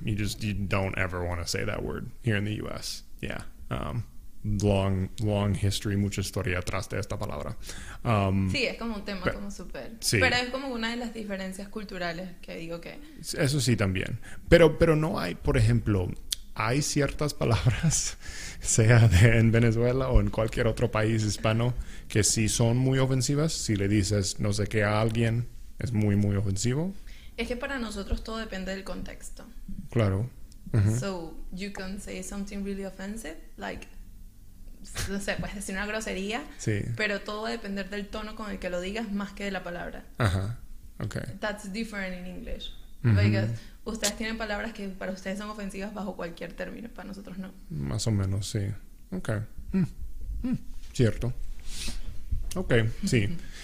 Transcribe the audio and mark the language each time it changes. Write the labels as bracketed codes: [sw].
[en] You don't ever want to say that word here in the U.S. Yeah. Long history, [es] mucha historia atrás de esta palabra. Sí, es como un tema pero, como súper. Sí. Pero es como una de las diferencias culturales que digo que... Eso sí también. Pero no hay, por ejemplo, hay ciertas palabras, sea en Venezuela o en cualquier otro país hispano, que sí son muy ofensivas. Si le dices no sé qué a alguien, es muy, muy ofensivo. Es que para nosotros todo depende del contexto. Claro. Uh-huh. [en] So, you can say something really offensive, like... [es] No sé, puedes decir una grosería. Sí. Pero todo va a depender del tono con el que lo digas, más que de la palabra. Ajá. Ok. [en] That's different in English. [es] Uh-huh. Because ustedes tienen palabras que para ustedes son ofensivas bajo cualquier término, para nosotros no. Más o menos, sí. Ok. Mm. Mm. Cierto. Ok, sí.